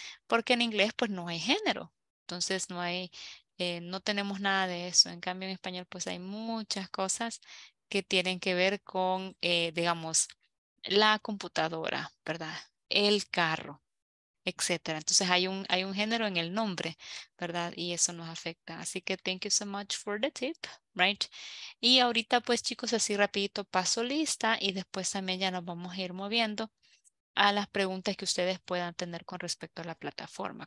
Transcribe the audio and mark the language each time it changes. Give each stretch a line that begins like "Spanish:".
Spanish: Porque en inglés pues no hay género. Entonces no tenemos nada de eso. En cambio en español pues hay muchas cosas que tienen que ver con, digamos, la computadora, ¿verdad? El carro, etcétera. Entonces hay un género en el nombre, ¿verdad? Y eso nos afecta. Así que
English: thank you so much for the tip, right?
Spanish: Y ahorita pues chicos, así rapidito paso lista y después también ya nos vamos a ir moviendo a las preguntas que ustedes puedan tener con respecto a la plataforma.